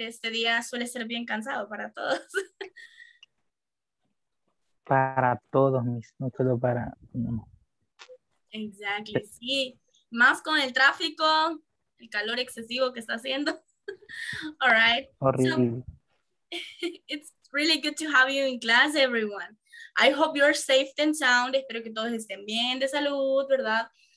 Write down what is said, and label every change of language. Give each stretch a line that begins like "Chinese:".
Spanish: Este día suele ser bien cansado para todos. Para todos mis, no solo para uno.
English: Exactly,
Spanish: sí. Más con el tráfico, el calor excesivo que está haciendo.
English: All right. Horrible. So, it's really good to have you in class, everyone. I hope you're safe and sound.
Spanish: Espero que todos estén bien de salud, ¿verdad?